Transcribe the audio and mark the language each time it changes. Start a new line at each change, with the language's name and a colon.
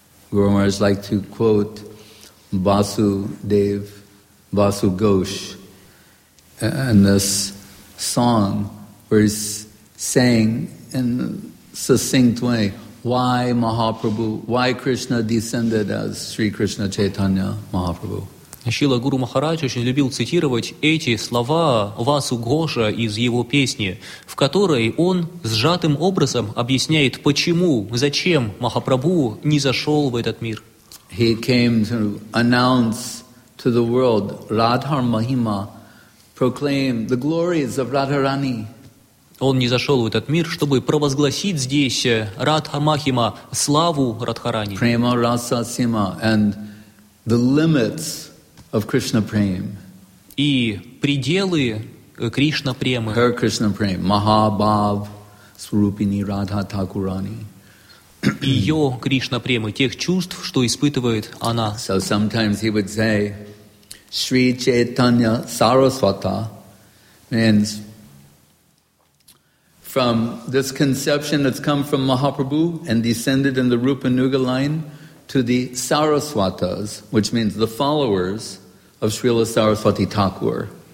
English: Guru Maharaj like to quote Vasudev, Vasu Ghosh, and this song where he's saying in a succinct way why Mahaprabhu, why Krishna descended as Sri Krishna Chaitanya Mahaprabhu.
Russian: Шрила Гуру Махарадж очень любил цитировать эти слова Васу Гоша из его песни, в которой он сжатым образом объясняет, почему, зачем Махапрабху не зашел в этот мир.
English: He came to announce to the world Radhar Mahima, proclaim the glories of Radharani.
Russian: Он не зашел в этот мир, чтобы провозгласить здесь Радхамахима, славу Радхарани.
English: Према раса сима, and the limits of Krishna prem.
Russian: И пределы Кришна премы.
English: Her Krishna prem, Mahabhav, Swarupini Radha Thakurani.
Russian: Ее Кришна премы, тех чувств, что испытывает она.
English: So sometimes he would say, Sri Chaitanya Sarasvata means from this conception that's come from Mahaprabhu and descended in the Rupa Nuga line to the Sarasvatas, which means the followers of Srila Sarasvati Thakur.